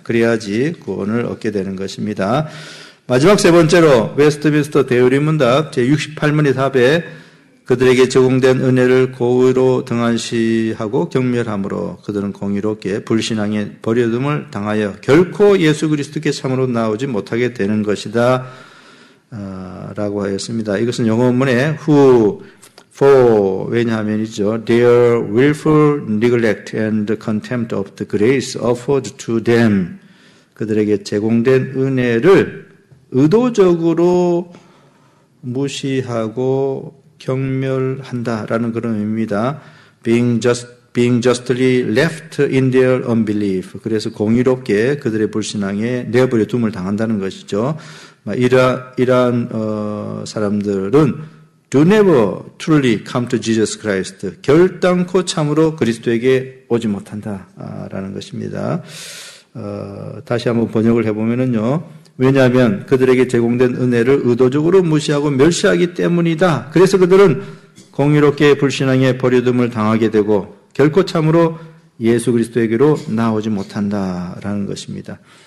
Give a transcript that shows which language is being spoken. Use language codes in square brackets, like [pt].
[ko] 그래야지 구원을 얻게 되는 것입니다. 마지막 세 번째로 웨스트민스터 대요리문답 제68문의 답에 그들에게 제공된 은혜를 고의로 등한시하고 경멸함으로 그들은 공의롭게 불신앙에 버려둠을 당하여 결코 예수 그리스도께 참으로 나오지 못하게 되는 것이다. 라고 하였습니다. 이것은 영어 문에 [en] who, for, [ko] 왜냐하면이죠. [en] their willful neglect and contempt of the grace offered to them. [ko] 그들에게 제공된 은혜를 의도적으로 무시하고 경멸한다라는 그런 의미입니다. [en] being justly left in their unbelief. [ko] 그래서 공의롭게 그들의 불신앙에 내버려 둠을 당한다는 것이죠. 이러한 사람들은 [en] do never truly come to Jesus Christ. [ko] 결단코 참으로 그리스도에게 오지 못한다라는 것입니다. 다시 한번 번역을 해보면은요. 왜냐하면 그들에게 제공된 은혜를 의도적으로 무시하고 멸시하기 때문이다. 그래서 그들은 공의롭게 불신앙에 버려둠을 당하게 되고 결코 참으로 예수 그리스도에게로 나오지 못한다라는 것입니다.